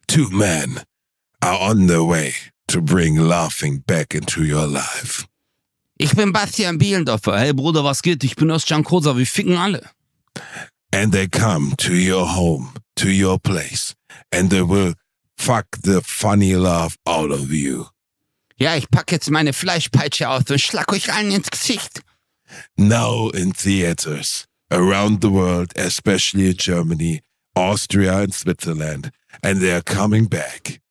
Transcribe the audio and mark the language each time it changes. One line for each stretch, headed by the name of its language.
English: Two men are on their way to bring laughing back into your life.
German: Ich bin Bastian Bielendorfer. Hey Bruder, was geht? Ich bin Özcan Kosa. Wir ficken alle.
English: And they come to your home, to your place, and they will fuck the funny laugh out of you.
German: Ja, ich pack jetzt meine Fleischpeitsche aus und schlag euch allen ins Gesicht.
English: Now in theaters around the world, especially in Germany, Austria and Switzerland, and they are coming back.